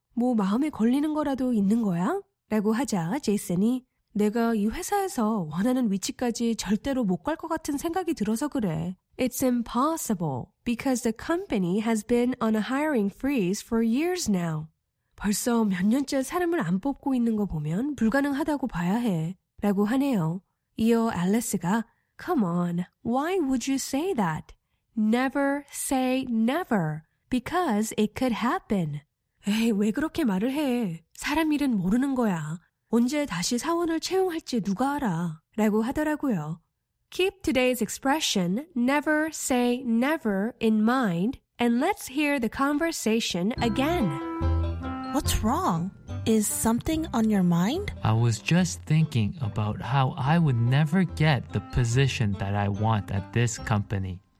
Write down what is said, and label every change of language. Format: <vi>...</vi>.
<ko>뭐 마음에 걸리는 거라도 있는 거야? 라고 하자 제이슨이 내가 이 회사에서 원하는 위치까지 절대로 못 갈 것 같은 생각이 들어서 그래.</ko> <en>It's impossible because the company has been on a hiring freeze for years now.</en> <ko>벌써 몇 년째 사람을 안 뽑고 있는 거 보면 불가능하다고 봐야 해. 라고 하네요. 이어 알리스가</ko> <en>Come on, why would you say that? Never say never, because it could happen.</en> <ko>에이, 왜 그렇게 말을 해? 사람 일은 모르는 거야. 언제 다시 사원을 채용할지 누가 알아? 라고 하더라고요.</ko> <en>Keep today's expression, never say never, in mind, and let's hear the conversation again. What's wrong? Is something on your mind? I was just thinking about how I would never get the position that I want at this company.</en>